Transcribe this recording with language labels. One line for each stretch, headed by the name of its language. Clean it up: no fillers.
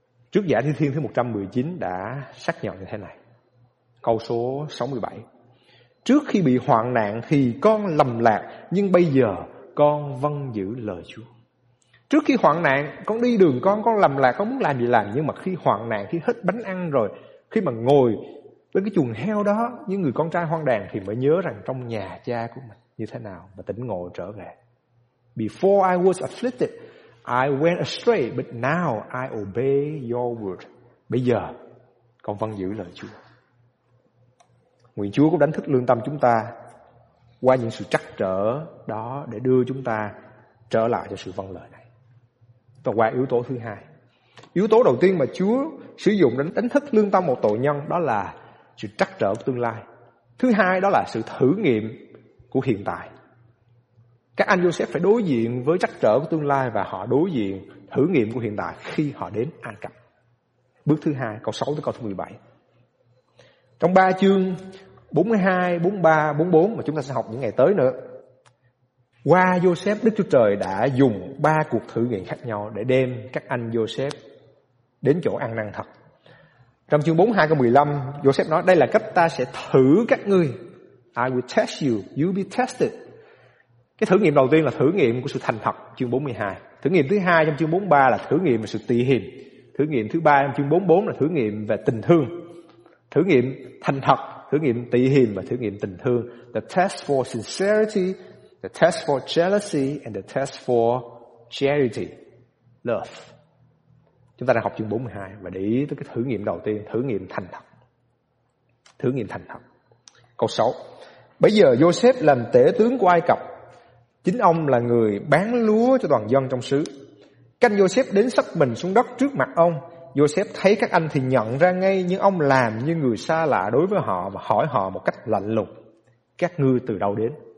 Vietnamese: Trước giả Thi Thiên thứ 119 đã xác nhận như thế này, câu số 67: trước khi bị hoạn nạn thì con lầm lạc, nhưng bây giờ con vâng giữ lời Chúa. Trước khi hoạn nạn, con đi đường con lầm lạc, con muốn làm gì làm, nhưng mà khi hoạn nạn, khi hết bánh ăn rồi, khi mà ngồi với cái chuồng heo đó như người con trai hoang đàn, thì mới nhớ rằng trong nhà cha của mình như thế nào, và tỉnh ngộ trở về.
English: Before I was afflicted, I went astray, but now I obey your word.
Vietnamese: Bây giờ con vâng giữ lời Chúa. Nguyện Chúa cũng đánh thức lương tâm chúng ta qua những sự trắc trở đó, để đưa chúng ta trở lại cho sự vâng lời này. Và qua yếu tố thứ hai, yếu tố đầu tiên mà Chúa sử dụng để đánh thức lương tâm một tội nhân, đó là sự trắc trở của tương lai. Thứ hai, đó là sự thử nghiệm của hiện tại. Các anh Joseph phải đối diện với trắc trở của tương lai, và họ đối diện thử nghiệm của hiện tại khi họ đến Ai Cập. Bước thứ hai, câu 6 tới câu thứ 17. Trong 3 chương 42, 43, 44 mà chúng ta sẽ học những ngày tới nữa, qua Joseph, Đức Chúa Trời đã dùng 3 cuộc thử nghiệm khác nhau để đem các anh Joseph đến chỗ ăn năn thật. Trong chương 42 câu 15, Joseph nói: đây là cách ta sẽ thử các ngươi.
English: I will test you, you be tested.
Vietnamese: Cái thử nghiệm đầu tiên là thử nghiệm của sự thành thật, chương 42. Thử nghiệm thứ hai trong chương 43 là thử nghiệm về sự tị hiềm. Thử nghiệm thứ ba trong chương 44 là thử nghiệm về tình thương. Thử nghiệm thành thật, thử nghiệm tị hiềm và thử nghiệm tình thương.
English: The test for sincerity, the test for jealousy, and the test for charity, love.
Vietnamese: Chúng ta đang học chương 42 và để ý tới cái thử nghiệm đầu tiên, thử nghiệm thành thật. Thử nghiệm thành thật. Câu 6: bây giờ Joseph làm tể tướng của Ai Cập, chính ông là người bán lúa cho toàn dân trong xứ. Canh Joseph đến sắp mình xuống đất trước mặt ông, Joseph thấy các anh thì nhận ra ngay, nhưng ông làm như người xa lạ đối với họ và hỏi họ một cách lạnh lùng. các ngươi từ đâu đến?